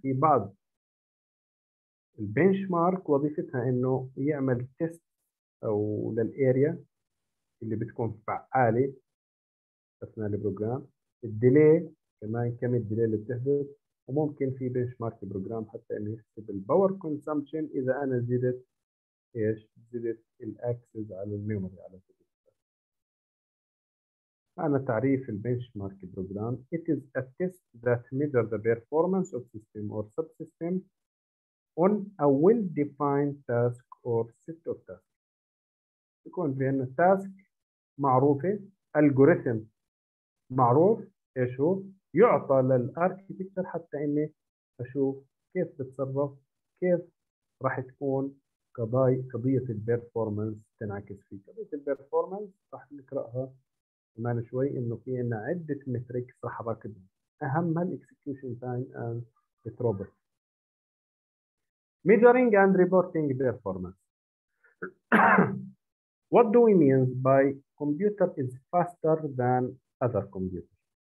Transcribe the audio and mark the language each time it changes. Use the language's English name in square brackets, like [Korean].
[Arabic] في بعض البنش مارك وظيفتها انه يعمل تيست او للاريا اللي بتكون فعاله اثناء البروجرام، الديلي كمان كم الديلي اللي بتحدث، وممكن في بنش مارك بروجرام حتى انه يحسب الباور كونسامشن اذا انا زدت ايش زدت الاكسس على الميموري على سبيل المثال. انا تعريف البنش مارك بروجرام: [English] It is a test that measures the performance of system or subsystem on a well-defined task or set of tasks. [Arabic] يكون في عندنا تاسك معروفة، الجوريثم معروف ايش هو، يعطى للاركيتكتر حتى اني اشوف كيف بتصرف، كيف راح تكون قضية البيرفورمانس تنعكس فيه. قضية البيرفورمانس راح نقرأها كمان شوي، انه في عنا عدة متريكس راح اراكبها، اهمها الاكسكيوشن تايم اند الثروبوت. [English] Measuring and reporting performance. What do we mean by computer is faster than other computers?